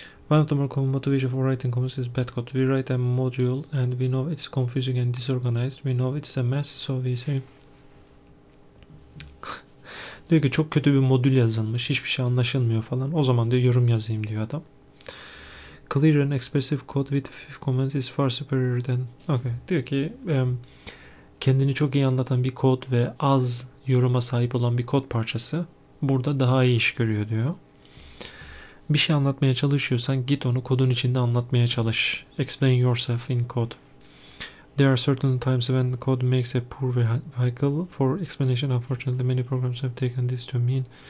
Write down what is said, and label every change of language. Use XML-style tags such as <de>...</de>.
<en>One of the more common motivations for writing comments is bad code. We write a module and we know it's confusing and disorganized. We know it's a mess, so we say.</en> <tr>Diyor ki çok kötü bir modül yazılmış, hiçbir şey anlaşılmıyor falan. O zaman diyor yorum yazayım diyor adam.</tr> <en>Clear and expressive code with few comments is far superior than. Okay.</en> <tr>Diyor ki kendini çok iyi anlatan bir kod ve az yoruma sahip olan bir kod parçası burada daha iyi iş görüyor diyor. Bir şey anlatmaya çalışıyorsan git onu kodun içinde anlatmaya çalış.</tr> <en>Explain yourself in code. There are certain times when the code makes a poor vehicle for explanation. Unfortunately, many programs have taken this to mean.</en>